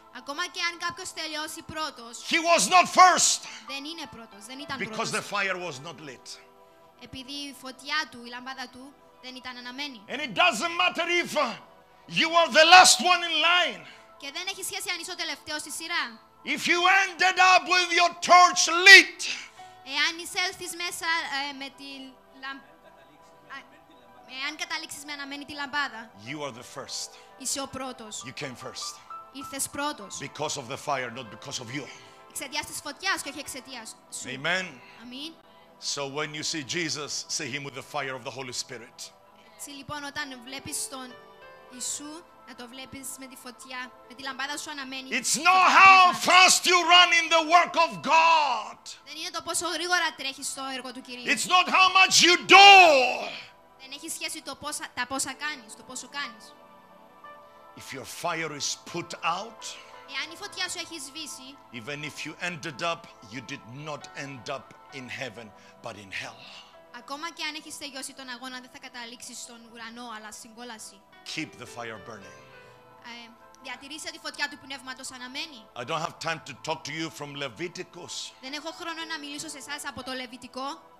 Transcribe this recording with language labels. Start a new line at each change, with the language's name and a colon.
Greek: ακόμα και αν κάποιος τελειώσει πρώτος,
English: he was not first.
Greek: Δεν είναι πρώτος, δεν ήταν πρώτος.
English: Because the fire was not lit.
Greek: Επειδή η φωτιά του, η λάμπαδα του, δεν ήταν αναμένη.
English: And it doesn't matter if you are the last one in line.
Greek: Και δεν έχει σχέση αν είσαι ο τελευταίος στη σειρά.
English: If you ended up with your torch lit,
Greek: εάν εισέλθεις μέσα με τη λάμπα. Εάν καταλήξεις με αναμένη τη λαμπάδα.
English: You are the first.
Greek: Είσαι ο πρώτος.
English: You came first.
Greek: Ήρθες πρώτος.
English: Because of the fire, not because of you.
Greek: Εξαιτίας της φωτιάς και όχι εξαιτίας σου.
English: Amen.
Greek: Αμήν.
English: So when you see Jesus, see him with the fire of the Holy Spirit.
Greek: Έτσι λοιπόν όταν βλέπεις τον Ιησού, να το βλέπεις με τη φωτιά, με τη λαμπάδα σου αναμένη.
English: It's not how fast you run in the work of God.
Greek: Δεν είναι το πόσο γρήγορα τρέχεις στο έργο του Κυρίου.
English: It's not how much you do.
Greek: Δεν έχει σχέση το πόσα, τα πόσα κάνεις, το πόσο κάνεις.
English: If your fire is put out,
Greek: εάν η φωτιά σου έχει σβήσει,
English: even if you ended up, you did not end up in heaven, but in hell.
Greek: Ακόμα και αν έχεις τελειώσει τον αγώνα, δεν θα καταλήξεις στον ουρανό, αλλά στην κόλαση.
English: Keep the fire burning.
Greek: Διατηρήσε τη φωτιά του πνεύματος αναμένη.
English: I don't have time to talk to you from Leviticus.
Greek: Δεν έχω χρόνο να μιλήσω σε εσάς από το Λεβιτικό.